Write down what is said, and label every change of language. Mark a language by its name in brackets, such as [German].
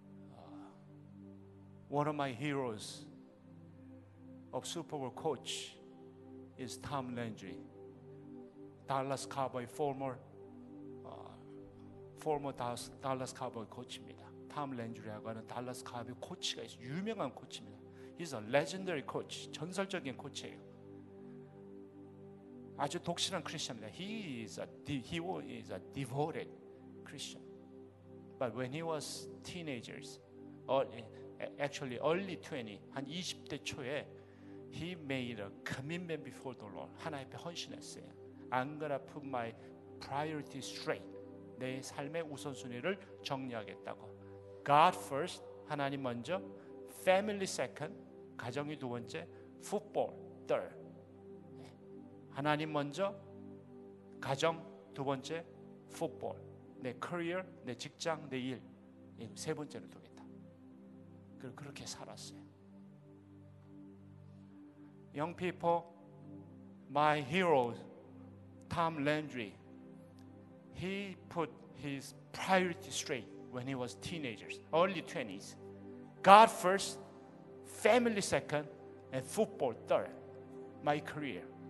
[English] 어, one of my heroes of Super Bowl coach is Tom Landry, Dallas Cowboy former Dallas Cowboy coach입니다. [Korean] Tom Landry라고 하는 Dallas Cowboy coach가 있어요. 유명한 코치입니다. [English] He's a legendary coach, [Korean] 전설적인 코치예요. 아주 독실한 크리스천입니다. [English] He is a devoted Christian. But when he was teenagers, early 20, [Korean] 한 20대 초에 [English] he made a commitment before the Lord. [Korean] 하나님 앞에 헌신했어요. [English] I'm gonna put my priority straight. [Korean] 내 삶의 우선순위를 정리하겠다고. [English] God first, [Korean] 하나님 먼저. [English] Family second, [Korean] 가정이 두 번째. [English] Football third. [Korean] 하나님 먼저, 가정 두 번째, 풋볼 내 커리어, 내 직장, 내 일 세 번째를 두겠다. 그리고 그렇게 살았어요. [English] Young people, my hero, Tom Landry, he put his priority straight when he was teenagers, early 20s. God first, family second, and football third, my career.